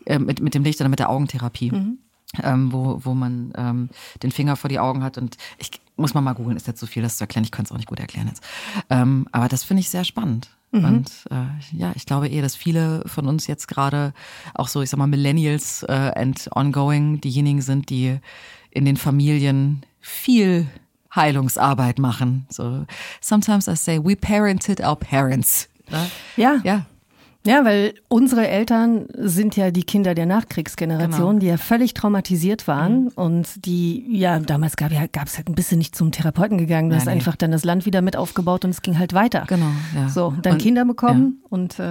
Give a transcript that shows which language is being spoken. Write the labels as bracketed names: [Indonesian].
[German] Mit dem Licht oder mit der Augentherapie. Mhm. Wo man den Finger vor die Augen hat und ich muss mal googeln, ist jetzt so viel, das zu erklären, ich kann es auch nicht gut erklären jetzt. Aber das finde ich sehr spannend. Mhm. Und ja, ich glaube eher, dass viele von uns jetzt gerade auch so, ich sag mal, [English] Millennials and ongoing [German] diejenigen sind, die in den Familien viel Heilungsarbeit machen. [English] So, sometimes I say, we parented our parents. [German] Ja. Ja. Ja, weil unsere Eltern sind ja die Kinder der Nachkriegsgeneration, genau, die ja völlig traumatisiert waren, mhm, und die, ja, damals gab es halt ein bisschen nicht zum Therapeuten gegangen, du hast einfach dann das Land wieder mit aufgebaut und es ging halt weiter. Genau, ja. So, dann und, Kinder bekommen, ja, und